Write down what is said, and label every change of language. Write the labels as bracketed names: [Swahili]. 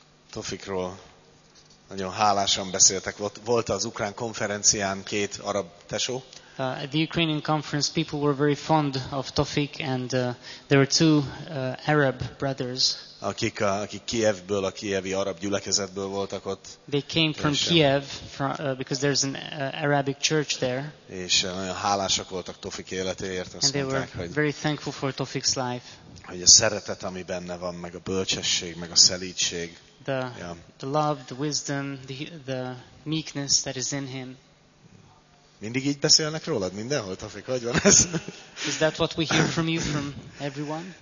[Hungarian] Tofikról nagyon hálásan beszéltek. Volt az ukrán konferencián két arab tesó. [English] At the Ukrainian conference, people were very fond of Tofik, and there were two Arab brothers. [Hungarian] Akik Kievből, a kievi arab gyülekezetből voltak ott. [English] They came from Kiev because there's an Arabic church there. [Hungarian] És nagyon hálásak voltak Tofik életéért, azt mondták, [English] were very thankful for Tofik's life. [Hungarian] Hogy a szeretet, ami benne van, meg a bölcsesség, meg a szelídség. [English] The love, the wisdom, the meekness that is in him. [Hungarian] Mindig így beszélnek rólad mindenhol, Tofik, hogy van ez? [English] Is that what we hear from you, from everyone?